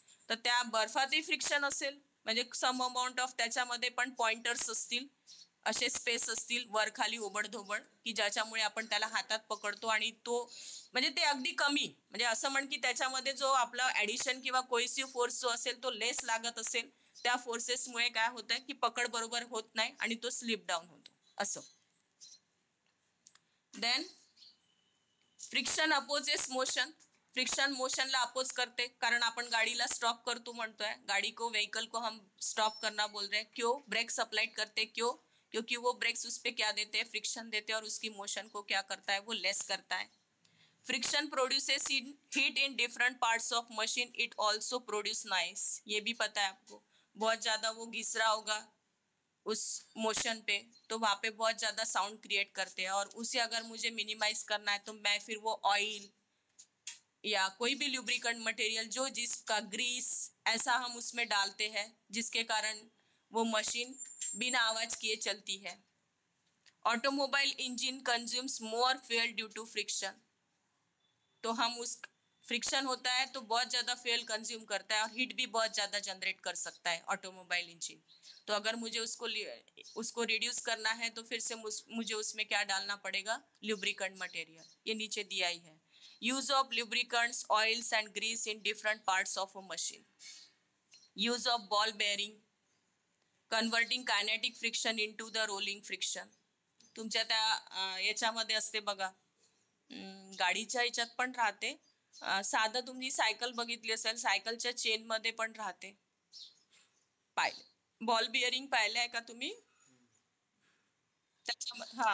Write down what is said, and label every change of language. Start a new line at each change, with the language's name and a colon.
Marathi: तर त्या बर्फातही फ्रिक्शन असेल, म्हणजे सम अमाऊंट ऑफ त्याच्यामध्ये पण पॉइंटर्स असतील, असे स्पेस असतील वर खाली ओबडधोबड, की ज्याच्यामुळे आपण त्याला हातात पकडतो आणि तो म्हणजे ते अगदी कमी, म्हणजे असं म्हण की त्याच्यामध्ये जो आपला ॲडिशन किंवा कोहेसिव्ह फोर्स जो असेल तो लेस लागत असेल, त्या फोर्सेसमुळे काय होतंय की पकड बरोबर होत नाही आणि तो स्लिप डाऊन होतो असं।
English: then friction opposes motion,
Marathi: friction मोशनला oppose करते, कारण आपण गाडीला स्टॉप करतो म्हणतोय,
Hindi: गाडी को व्हेइकल को हम स्टॉप करना बोल रहे, क्यों? ब्रेक सप्लाइड करते क्यों? क्योंकि वो ब्रेक्स उस पे क्या देते हैं? फ्रिक्शन देते हैं, और उसकी मोशन को क्या करता है? वो लेस करता है।
English: friction produces heat in different parts of machine, it also produce noise,
Hindi: ये भी पता है आपको, बहुत ज़्यादा वो घिस रहा होगा उस मोशन पे तो वहाँ पे बहुत ज़्यादा साउंड क्रिएट करते हैं, और उसे अगर मुझे मिनिमाइज करना है तो मैं फिर वो ऑयल या कोई भी ल्यूब्रिकेंट मटेरियल जो जिसका ग्रीस ऐसा हम उसमें डालते हैं जिसके कारण वो मशीन बिना आवाज किए चलती है।
English: automobile engine consumes more fuel due to friction,
Hindi: तो हम उस फ्रिक्शन होता है तो बहुत ज़्यादा फ्यूल कंज्यूम करता है और हीट भी बहुत ज़्यादा जनरेट कर सकता है ऑटोमोबाइल इंजन, तो अगर मुझे उसको रिड्यूस करना है तो फिर से मुझे उसमें क्या डालना पड़ेगा?
Marathi: ल्यूब्रिकेंट मटेरियल, ये नीचे दिया ही है,
English: use of lubricants oils and grease in different parts of a machine, use of ball bearing converting kinetic friction into the rolling friction,
Marathi: तुमच्या त्या याच्यामध्ये असते बघा गाडीच्या याच्यात पण राहते, साधं तुम्ही सायकल बघितली असेल सायकलच्या चेनमध्ये पण राहते, पाहिले बॉल बिअरिंग पाहिले आहे का तुम्ही त्याच्यामध्ये?